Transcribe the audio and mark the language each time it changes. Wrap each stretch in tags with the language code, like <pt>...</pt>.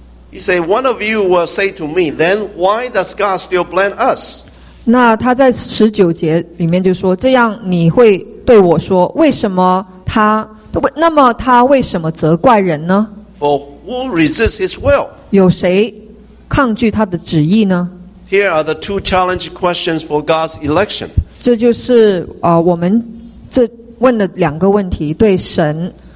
<en>He say, "One of you will say to me, 'Then why does God still blame us?'"</en> <zh>那他在十九节里面就说：“这样你会对我说，为什么他？那么他为什么责怪人呢</zh> <en>？”For who resists his will?</en> <zh>有谁抗拒他的旨意呢</zh> <en>？Here are the two challenge questions for God's election.</en> <zh>这就是我们这问的两个问题，对神</zh>